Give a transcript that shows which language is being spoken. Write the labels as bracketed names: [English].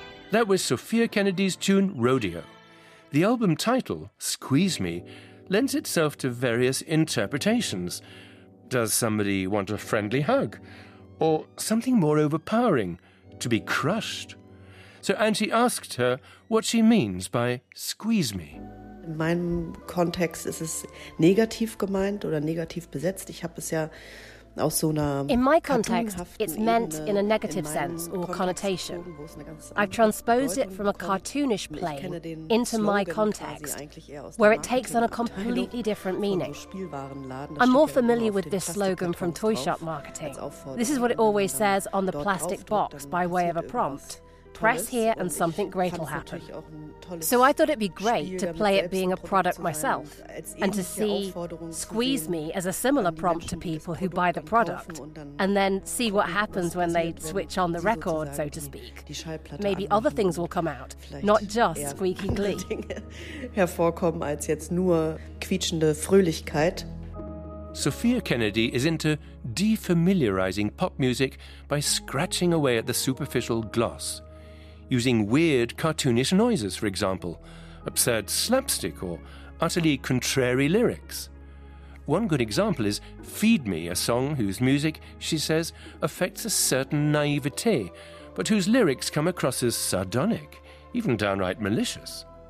[English] That was Sophia Kennedy's tune, Rodeo. The album title, Squeeze Me, lends itself to various interpretations. Does somebody want a friendly hug? Or something more overpowering, to be crushed? So Angie asked her what she means by squeeze me. [German] In meinem Kontext ist es negativ gemeint oder negativ besetzt. Ich habe es ja... [English] In my context, it's meant in a negative sense or connotation. I've transposed it from a cartoonish plane into my context, where it takes on a completely different meaning. I'm more familiar with this slogan from toy shop marketing. This is what it always says on the plastic box by way of a prompt. Press here and something great will happen. So I thought it'd be great to play it being a product myself and to see Squeeze Me as a similar prompt to people who buy the product and then see what happens when they switch on the record, so to speak. Maybe other things will come out, not just squeaky glee. [German] Hervorkommen als jetzt nur quietschende Fröhlichkeit. [English] Sophia Kennedy is into defamiliarizing pop music by scratching away at the superficial gloss. Using weird cartoonish noises, for example, absurd slapstick or utterly contrary lyrics. One good example is Feed Me, a song whose music, she says, affects a certain naivete, but whose lyrics come across as sardonic, even downright malicious.